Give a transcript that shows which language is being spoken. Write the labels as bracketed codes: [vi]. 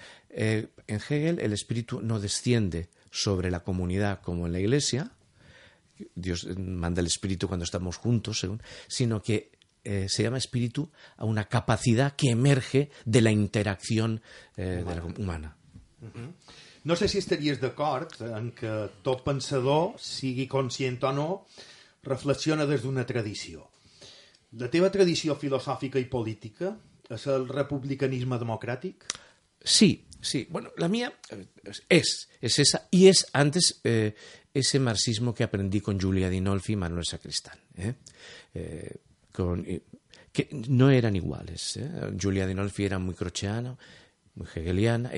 [es] En Hegel el espíritu no desciende sobre la comunidad como en la iglesia, Dios manda el espíritu cuando estamos juntos, sino que se llama espíritu a una capacidad que emerge de la interacción humana. [ca] No sé si estaries d'acord en que tot pensador, sigui conscient o no, reflexiona des d'una tradició. La teva tradició filosòfica i política és el republicanisme democràtic? Sí, sí. [es] Bueno, la mía es esa y es antes ese marxismo que aprendí con Giulia Dinolfi y Manuel Sacristán. Que no eran iguales. Giulia Dinolfi era muy crocheana, muy hegeliana.